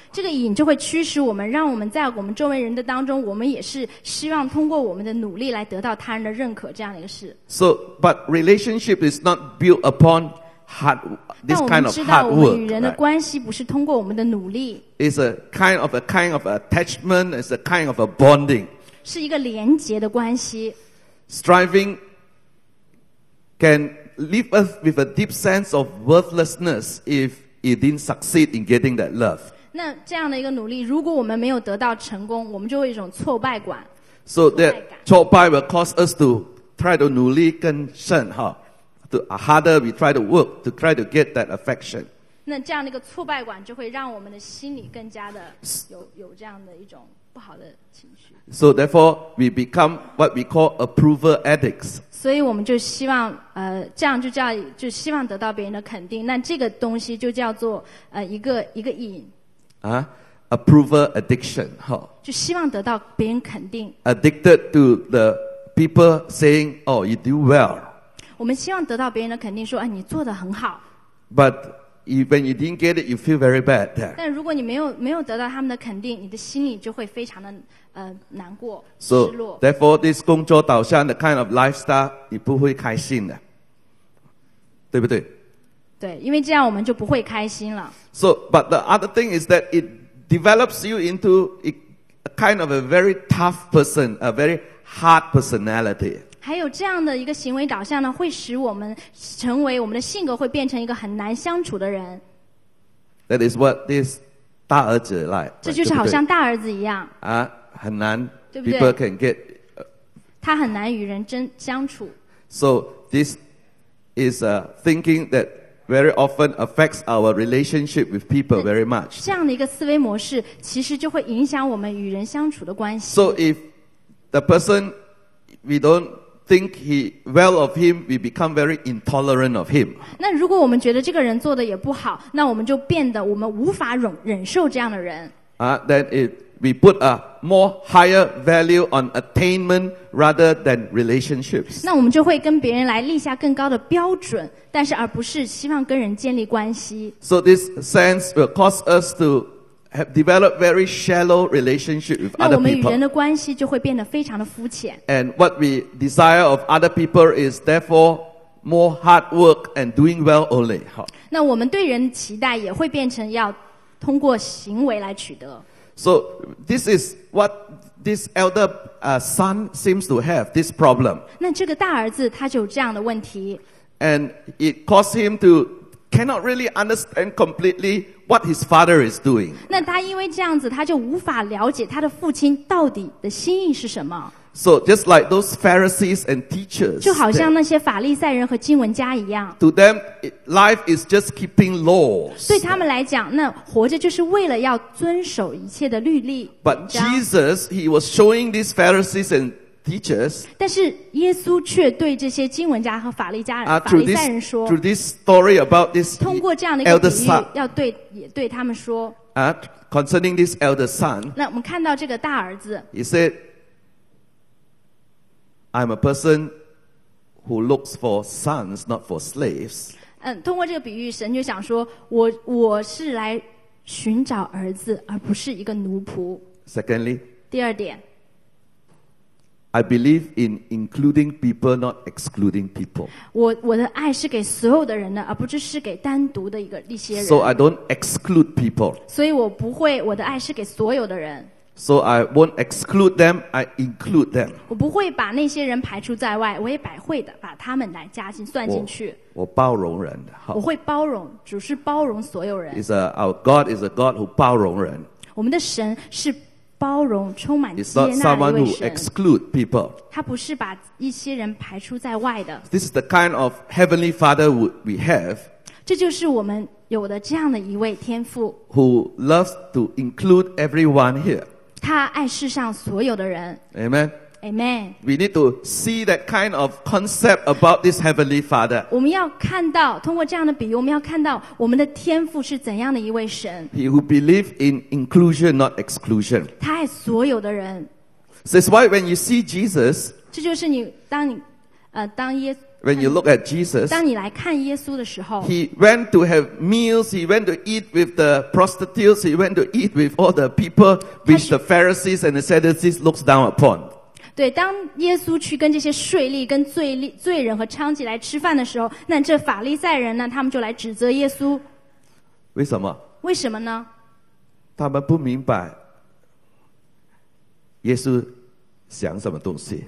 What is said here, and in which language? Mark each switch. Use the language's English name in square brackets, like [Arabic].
[Chinese] 这个瘾就会驱使我们，让我们在我们周围人的当中，我们也是希望通过我们的努力来得到他人的认可，这样的一个事。 [English] So, but relationship is not built upon hard this kind of hard work. [Chinese] 但我们知道，我们与人的关系不是通过我们的努力。 [English] It's a kind of attachment. It's a kind of a bonding. [Chinese] 是一个连结的关系。 [English] Striving. Can leave us with a deep sense of worthlessness if it didn't succeed in getting that love. [Chinese] 那这样的一个努力，如果我们没有得到成功，我们就会有一种挫败感。 [English] So that [Chinese] 挫败 [English] will cause us to try to [Chinese] 努力更深哈 [English] ，to harder we try to work to try to get that affection. [Chinese] 那这样的一个挫败感就会让我们的心里更加的有这样的一种不好的情绪。 [English] So therefore, we become what we call approval addicts. [Chinese] 所以我们就希望，这样就希望得到别人的肯定。那这个东西就叫做，一个瘾。 [English] 啊，approval addiction, 哈。 [Chinese] 就希望得到别人肯定。 [English] Addicted to the people saying, "Oh, you do well." [Chinese] 我们希望得到别人的肯定，说，哎，你做得很好。 [English] But when you didn't get it, you feel very bad. [Chinese] 但如果你没有得到他们的肯定，你的心里就会非常的。难过 [English] so, [Chinese] 失落 [English] therefore this [Chinese] 工作导向的 [English] kind of lifestyle [Chinese] 你不会开心的对不对对因为这样我们就不会开心了 [English] so, but the other thing is that it develops you into a kind of a very tough person a very hard personality [Chinese] 还有这样的一个行为导向呢会使我们成为我们的性格会变成一个很难相处的人 [English] that is what this [Chinese] 大儿子 [English] like [Chinese] 这就是好像大儿子一样啊很难对对 [English] ，people can get， [Chinese] 他很难与人真相处。 [English] So this is a thinking that very often affects our relationship with people very much. [Chinese] 这样的一个思维模式，其实就会影响我们与人相处的关系。 [English] So if the person we don't think he well of him, we become very intolerant of him. [Chinese] 那如果我们觉得这个人做的也不好，那我们就变得我们无法忍受这样的人。 [English] Then it. We put a more higher value on attainment rather than relationships. [Chinese] 那我们就会跟别人来立下更高的标准，但是而不是希望跟人建立关系。 [English] So this sense will cause us to have developed very shallow relationship with other people. [Chinese] 那我们与人的关系就会变得非常的肤浅。 [English] And what we desire of other people is therefore more hard work and doing well only. [Chinese] 好。那我们对人的期待也会变成要通过行为来取得。 [English] So this is what this elder son seems to have this problem. [Chinese] 那这个大儿子他就有这样的问题。 [English] And it caused him to cannot really understand completely what his father is doing. [Chinese] 那他因为这样子，他就无法了解他的父亲到底的心意是什么。 [English] So just like those Pharisees and teachers, [Chinese] 就好像那些法利赛人和经文家一样。 [English] To them, life is just keeping laws. [Chinese] 对他们来讲，那活着就是为了要遵守一切的律例。 [English] But Jesus, he was showing these Pharisees and teachers. [Chinese] 但是耶稣却对这些经文家和法利赛人说 [English] ，Through this story about this, [Chinese] 通过这样的一个比喻，要对也对他们说 [English] concerning this elder son. [Chinese] 那我们看到这个大儿子 [English] ，He said. I'm a person who looks for sons, not for slaves. [Chinese] 通过这个比喻，神就想说，我是来寻找儿子，而不是一个奴仆。 [English] Secondly, [Chinese] 第二点。 [English] I believe in including people, not excluding people. [Chinese] 我的爱是给所有的人的，而不是给单独的一些人。 [English] So I don't exclude people. [Chinese] 所以我不会，我的爱是给所有的人。 [English] So I won't exclude them, I include them. [Chinese] 我不会把那些人排除在外，我也百会的把他们来加进算进去。我包容人的。我会包容，只是包容所有人。 [English] Our God is a God who [Chinese] 包容人。我们的神是包容，充满接纳的一位神。 [English] It's not someone who exclude people. [Chinese] 他不是把一些人排除在外的。 [English] This is the kind of heavenly Father we have. [Chinese] 这就是我们有的这样的一位天父。 [English] Who loves to include everyone here. [Chinese] 他爱世上所有的人。 [English] Amen. Amen. We need to see that kind of concept about this heavenly Father. [Chinese] 我们要看到，通过这样的比喻，我们要看到我们的天父是怎样的一位神。 [English] He who believes in inclusion, not exclusion. [Chinese] 他爱所有的人。 [English] That's why when you see Jesus, [Chinese] 这就是你当你当耶稣。 [English] When you look at Jesus, [Chinese] 当你来看耶稣的时候 [English] he went to have meals, he went to eat with the prostitutes, he went to eat with all the people which the Pharisees and the Sadducees looked down upon. [Chinese] 对，当耶稣去跟这些税吏、跟罪人和娼妓来吃饭的时候，那这法利赛人呢，他们就来指责耶稣。为什么？为什么呢？他们不明白耶稣想什么东西。